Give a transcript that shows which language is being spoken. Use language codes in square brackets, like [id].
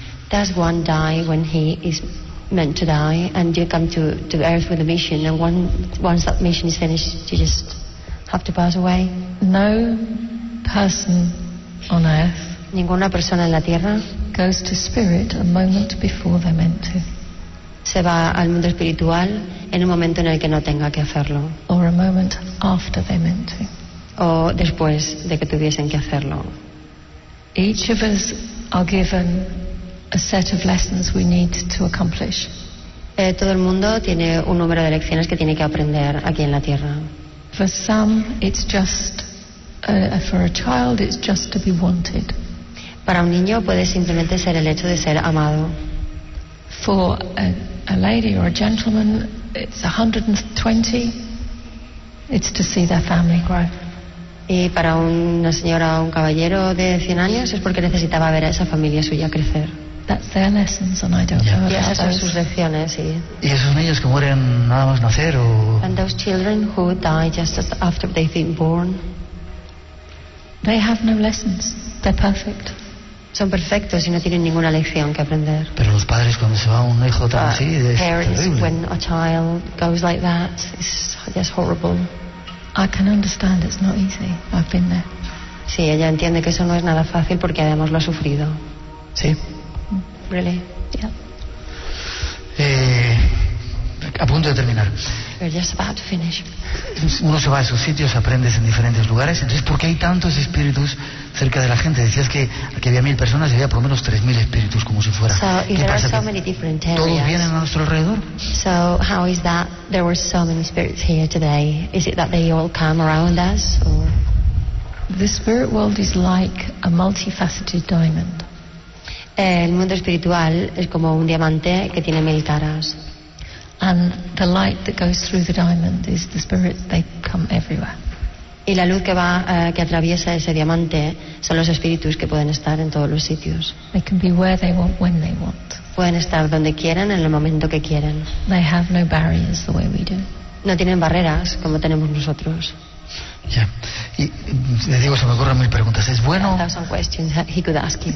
[en] Does one die when he is meant to die, and you come to Earth with a mission, and once that mission is finished, you just have to pass away? No person on Earth. [es] Ninguna persona en la tierra. [en] Goes to spirit a moment before they're meant to. [es] Se va al mundo espiritual en un momento en el que no tenga que hacerlo. [en] Or a moment after they're meant to. [es] O después de que tuviesen que hacerlo. [en] Each of us are given a set of lessons we need to accomplish. [es] Todo el mundo tiene un número de lecciones que tiene que aprender aquí en la tierra. [en] For some, it's just for a child, it's just to be wanted. Para un niño puede simplemente ser el hecho de ser amado. For a lady or a gentleman, it's 120. It's to see their family grow. [es] Y para una señora o un caballero de 100 años es porque necesitaba ver a esa familia suya crecer. [en] That's their lessons, and I don't know. [es] Y esas son sus lecciones, sí. Y esos niños que mueren nada más nacer o. [en] And those children who die just after they've been born. They have no lessons. They're perfect. [es] Son perfectos y no tienen ninguna lección que aprender. Pero los padres cuando se va un hijo tan así es terrible. [en] Parents, when a child goes like that, it's just horrible. I can understand it's not easy. I've been there. [es] Sí, ella entiende que eso no es nada fácil porque además lo ha sufrido. Sí. [en] Really? Yeah. [es] A punto de terminar. [en] We're just about to finish. [es] Uno se va a esos sitios, aprendes en diferentes lugares. Entonces, ¿por qué hay tantos espíritus cerca de la gente? Decías que aquí había 1,000 personas y había por lo menos 3,000 espíritus, como si fuera. [en] So, [es] ¿qué pasa? [en] So many different areas. [es] ¿Todos vienen a nuestro alrededor? [en] So, how is that there were so many spirits here today? Is it that they all come around us? Or? The spirit world is like a multifaceted diamond. [es] El mundo espiritual es como un diamante que tiene mil caras. [en] And the light that goes through the diamond is the spirit. They come everywhere. [es] Y la luz que va que atraviesa ese diamante son los espíritus que pueden estar en todos los sitios. [en] They can be where they want, when they want. [es] Pueden estar donde quieran en el momento que quieran. [en] They have no barriers the way we do. [es] No tienen barreras como tenemos nosotros. Ya. Y le digo, se me ocurren mil preguntas. Es bueno. [en] There are some questions that he could ask you.